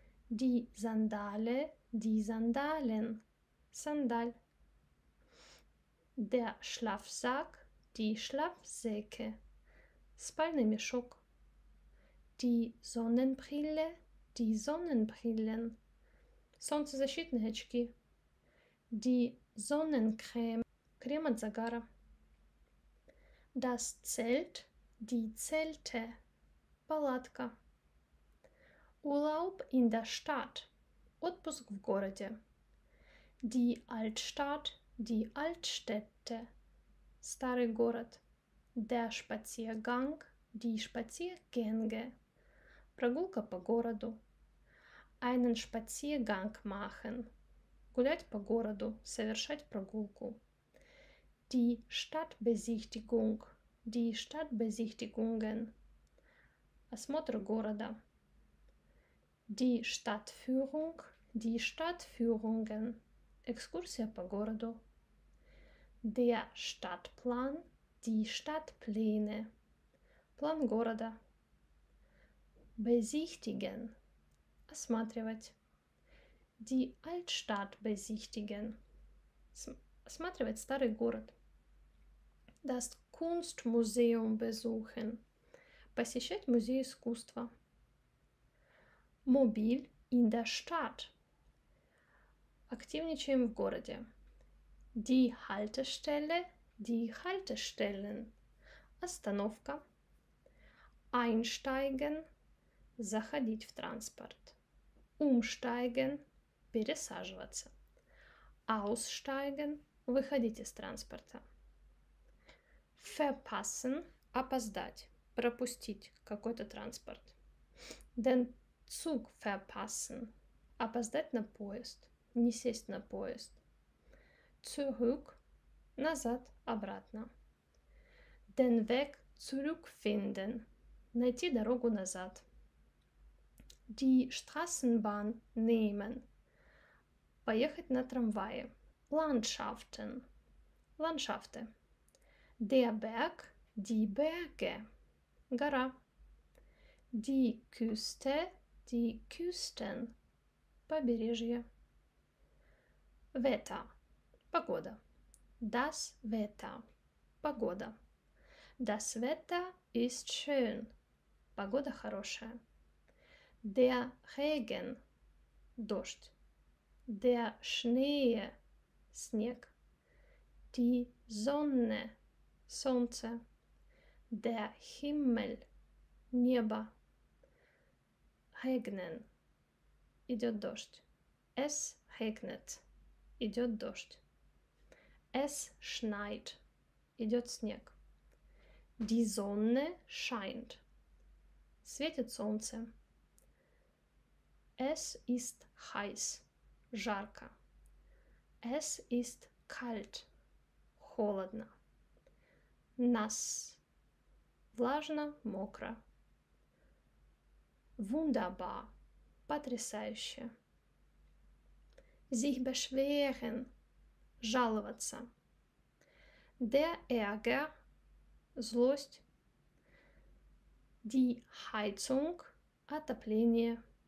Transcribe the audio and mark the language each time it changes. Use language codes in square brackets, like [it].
[de] Die Sandale, die Sandalen. Sandal. Der Schlafsack, die Schlafsäcke. [ru] Спальный мешок. [de] Die Sonnenbrille, die Sonnenbrillen. [ru] Солнцезащитные очки. [de] Die Sonnencreme, [ru] крем от загара. [de] Das Zelt, die Zelte, [ru] палатка. [de] Urlaub in der Stadt, [ru] отпуск в городе. [de] Die Altstadt, die Altstädte, [ru] старый город. [de] Der Spaziergang, die Spaziergänge, [ru] прогулка по городу. [de] Einen Spaziergang machen, [ru] гулять по городу, совершать прогулку. [de] Die Stadtbesichtigung, die Stadtbesichtigungen, [ru] осмотр города. [de] Die Stadtführung, die Stadtführungen, [ru] экскурсия по городу. [de] Der Stadtplan, die Stadtpläne, [ru] план города. [de] Besichtigen, [ru] осматривать. [de] Die Altstadt besichtigen, [ru] осматривать старый город. [de] Das Kunstmuseum besuchen, [ru] посещать музей искусства. [de] Mobil in der Stadt, [ru] активничаем в городе. [de] Die Haltestelle, die Haltestellen, [ru] остановка. [de] Einsteigen, [ru] заходить в транспорт. [de] Umsteigen, [ru] пересаживаться. [de] Aussteigen, [ru] выходить из транспорта. [de] Verpassen, [ru] опоздать, пропустить какой-то транспорт. [de] Den Zug verpassen, [ru] опоздать на поезд, не сесть на поезд. [de] Zurück, [ru] назад, обратно. [de] Den Weg zurückfinden, [ru] найти дорогу назад. [de] Die Straßenbahn nehmen, [ru] поехать на трамвае. [de] Landschaften, [ru] ландшафты. [de] Der Berg, die Berge, [ru] гора. [de] Die Küste, die Küsten, [ru] побережье. [de] Wetter, [ru] погода. [de] Das Wetter, погода. Das Wetter ist schön, [ru] погода хорошая. [de] Der Regen, [ru] дождь. [de] Der Schnee, [ru] снег. [de] Die Sonne, [ru] солнце. [de] Der Himmel, [ru] небо. [de] Regnen, [ru] идет дождь. [de] Es regnet, [ru] идет дождь. [de] Es schneit, [ru] идет снег. [de] Die Sonne scheint, [ru] светит солнце. [de] Es ist heiß, [ru] жарко. [de] Es ist kalt, [ru] холодно. [de] Nass, [ru] влажно, мокро. [de] Wunderbar, [ru] потрясающе. [de] Sich beschweren, [ru] жаловаться. [de] Der Ärger, [ru] злость. [de] Die Heizung, [ru] отопление.